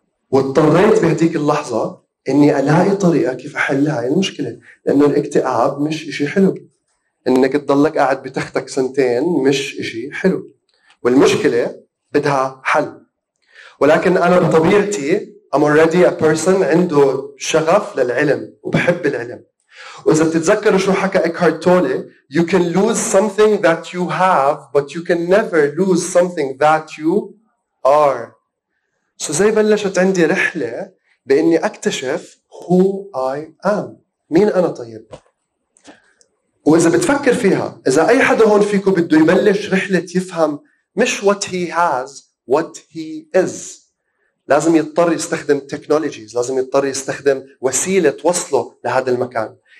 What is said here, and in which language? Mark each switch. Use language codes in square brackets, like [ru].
[ar] واضطريت بهديك اللحظة إني ألاقي طريقة كيف أحل هاي المشكلة، لأنه الاكتئاب مش إشي حلو، إنك تضلك قاعد بتختك سنتين مش إشي حلو، والمشكلة بدها حل. ولكن أنا بطبيعتي [en] I'm already a person [ar] عنده شغف للعلم وبحب العلم. وإذا بتتذكروا شو حكى إكهارت تولي، [en] You can lose something that you have but you can never lose something that you are. [ar] زي بلشت عندي رحلة بإني أكتشف [en] who I am، [ar] مين أنا طيب؟ وإذا بتفكر فيها، إذا أي حدا هون فيكم بده يبلش رحلة يفهم مش [en] what he has what he is، [ar] لازم يضطر يستخدم technologies، لازم يضطر يستخدم وسيلة توصله لهذا المكان.